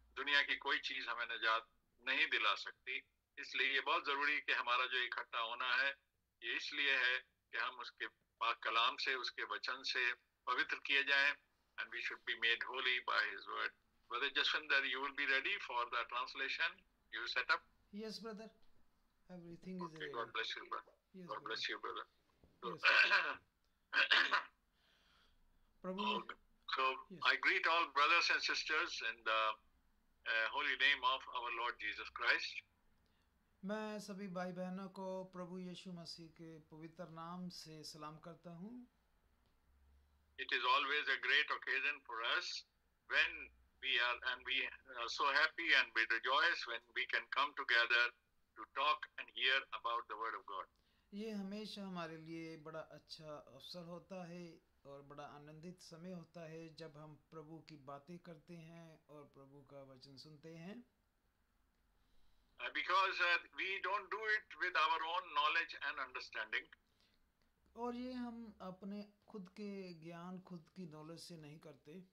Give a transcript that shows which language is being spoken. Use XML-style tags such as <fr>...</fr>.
<hi>दुनिया की कोई चीज हमें नजात नहीं दिला सकती, इसलिए ये बहुत जरूरी कि हमारा जो इकट्ठा होना है ये इसलिए है कि हम उसके पाक कलाम से, उसके वचन से पवित्र किए जाएं।</hi> <en>And we should be made holy by his word. Brother Jaswinder, you will be ready for the translation you set up? Yes, brother. Everything okay, is ready. God bless you, brother. Yes, God brother. Bless you, brother. Yes, Prabhu. So yes. I greet all brothers and sisters in the holy name of our Lord Jesus Christ.</en> <hi>मैं सभी भाई बहनों को प्रभु यीशु मसीह के पवित्र नाम से सलाम करता हूँ.</hi> <en>It is always a great occasion for us when we are so happy and we rejoice when we can come together to talk and hear about the word of God.</en> <hi>ये हमेशा हमारे लिए बड़ा अच्छा अवसर होता है और बड़ा आनंदित समय होता है जब हम प्रभु की बातें करते हैं और प्रभु का वचन सुनते हैं.</hi> <en>Because we don't do it with our own knowledge and understanding.</en> <hi>और ये हम अपने खुद के ज्ञान, खुद की नॉलेज से नहीं करते.</hi>